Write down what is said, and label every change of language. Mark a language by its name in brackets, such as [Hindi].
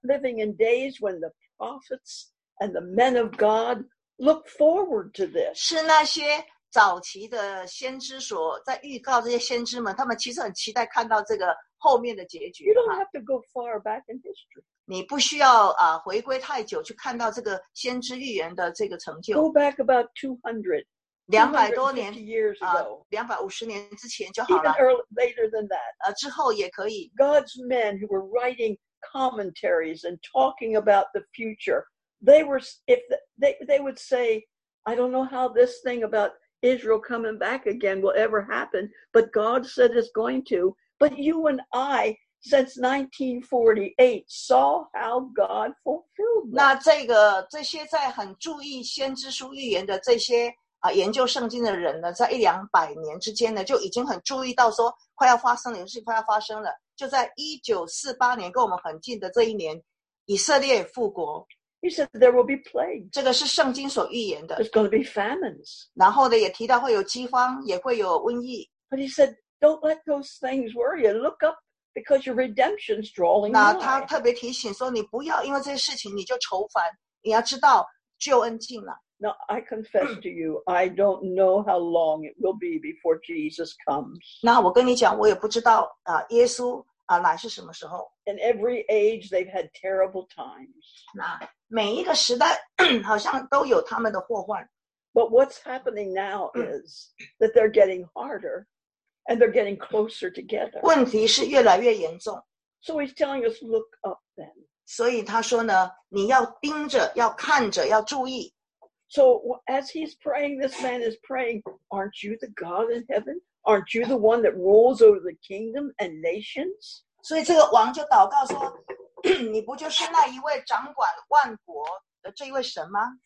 [English] We are living in days when the prophets and the men of God look forward to this. [Chinese] 是那些。早期的先知所在预告这些先知们，他们其实很期待看到这个后面的结局。 [English] You don't have to go far back in history. [Chinese] 你不需要回归太久去看到这个先知预言的这个成就。 [English] Go back about 200, [Chinese] 250 多年 [English] years ago. [Chinese] 250年之前就好了。 [English] Even early, later than that. [Chinese] 之后也可以。 [English] God's men who were writing commentaries and talking about the future, they were if they would say, I don't know how this thing aboutIsrael coming back again will ever happen, but God said it's going to. But you and I, since 1948, saw how God fulfilled that. [Chinese] 那这些在很注意先知书预言的这些研究圣经的人呢，在一两百年之间呢，就已经很注意到说快要发生了，是快要发生了。就在1948年，跟我们很近的这一年，以色列复国。 [English] He said there will be plague. [Chinese] 这个是圣经所预言的。 [English] There's going to be famines. [Chinese] 然后呢，也提到会有饥荒，也会有瘟疫。 [English] But he said, don't let those things worry you. Look up because your redemption's drawing nigh. [Chinese] 那他特别提醒说，你不要因为这些事情你就愁烦。你要知道救恩近了。 [English] Now I confess to you, I don't know how long it will be before Jesus comes. [Chinese] 那我跟你讲，我也不知道耶稣来是什么时候。 [English] In every age, they've had terrible times. [Chinese] 那每一个时代好像都有他们的祸患。 [English] But what's happening now is that they're getting harder and they're getting closer together. [Chinese] 问题是越来越严重。 [English] So he's telling us, look up then. [Chinese] 所以他说呢，你要盯着，要看着，要注意。 [English] So as he's praying, this man is praying, aren't you the God in heaven? Aren't you the one that rules over the kingdom and nations? [Chinese] 所以这个王就祷告说，你不就是那一位掌管万国的这一位神吗？